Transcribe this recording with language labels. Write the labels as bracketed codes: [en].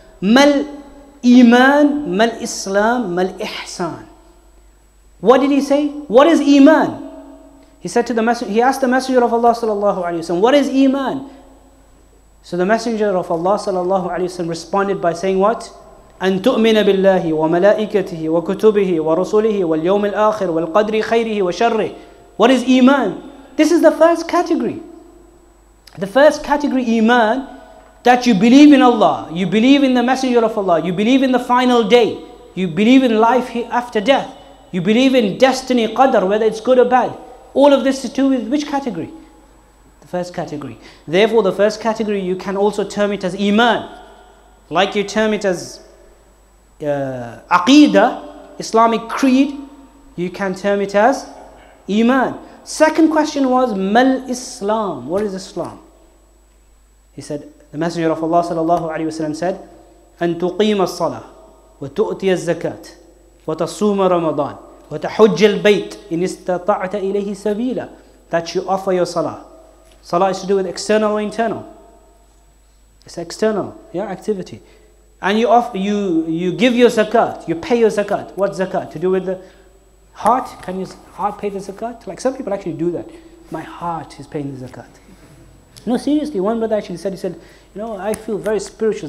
[ar] Mal iman, mal islam, mal ihsan. [en] What did he say? What is iman? He said to the Messenger, he asked the Messenger of Allah sallallahu alayhi wa sallam, what is iman? So the Messenger of Allah sallallahu alayhi wa sallam responded by saying what? [ar] أن تؤمن بالله وملائكته وكتبه ورسله واليوم الآخر والقدر خيره وشره. [en] What is iman? This is the first category. The first category, iman, that you believe in Allah, you believe in the Messenger of Allah, you believe in the final day, you believe in life after death, you believe in destiny, qadr, whether it's good or bad. All of this to do with which category? The first category. Therefore, the first category, you can also term it as iman. Like you term it as aqidah, Islamic creed, you can term it as iman. Second question was, mal Islam? What is Islam? He said, the Messenger of Allah sallallahu alayhi wa sallam said, [ar] أن تقيم الصلاة وتؤتي الزكاة وتصوم رمضان وتحج البيت إن استطعت إليه سبيلا. [en] That you offer your salah. Salah is to do with external or internal. It's external, yeah, activity. And you offer, you give your zakat, you pay your zakat. What zakat? To do with the heart? Can your heart pay the zakat? Like some people actually do that. My heart is paying the zakat. No, seriously, one brother actually said, he said, you know, I feel very spiritual.